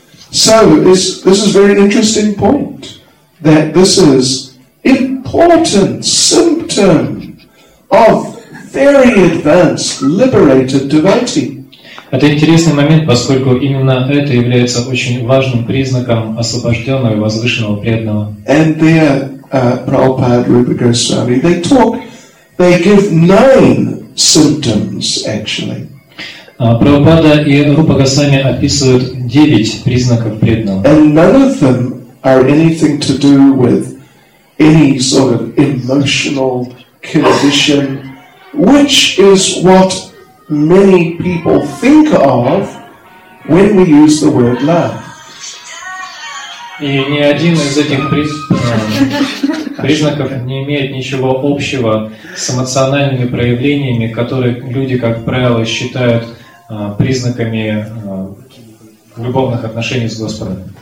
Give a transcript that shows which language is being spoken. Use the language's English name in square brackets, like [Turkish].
[English] So this is a very interesting point, that this is important symptom of very advanced liberated devotee. [Russian] Это интересный момент, поскольку именно это является очень важным признаком освобожденного и возвышенного преданного. [English] And there, Prabhupada, Rupa Goswami, they talk, they give 9 symptoms, actually. [Russian] Прабхупада и Рупа Госвами описывают 9 признаков преданного. [English] And none of them are anything to do with any sort of emotional condition, which is what many people think of when we use the word love. [Russian] И ни один из этих признаков не имеет ничего общего с эмоциональными проявлениями, которые люди, как правило, считают признаками любовных отношений с Господом.